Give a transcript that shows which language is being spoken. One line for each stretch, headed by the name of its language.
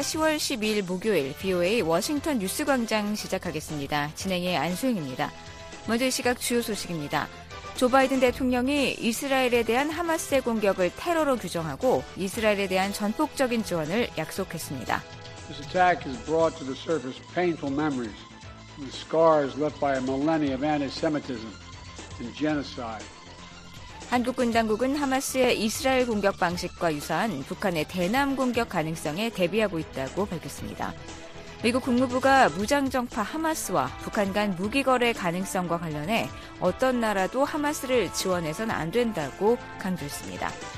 Korean: 10월 12일 목요일 VOA 워싱턴 뉴스 광장 시작하겠습니다. 진행의 안수영입니다. 먼저 시각 주요 소식입니다. 조 바이든 대통령이 이스라엘에 대한 하마스의 공격을 테러로 규정하고 이스라엘에 대한 전폭적인 지원을 약속했습니다.
English: This attack has brought to the surface painful memories and scars left by a millennia of anti-Semitism and genocide.
Korean: 한국군 당국은 하마스의 이스라엘 공격 방식과 유사한 북한의 대남 공격 가능성에 대비하고 있다고 밝혔습니다. 미국 국무부가 무장정파 하마스와 북한 간 무기 거래 가능성과 관련해 어떤 나라도 하마스를 지원해서는 안 된다고 강조했습니다.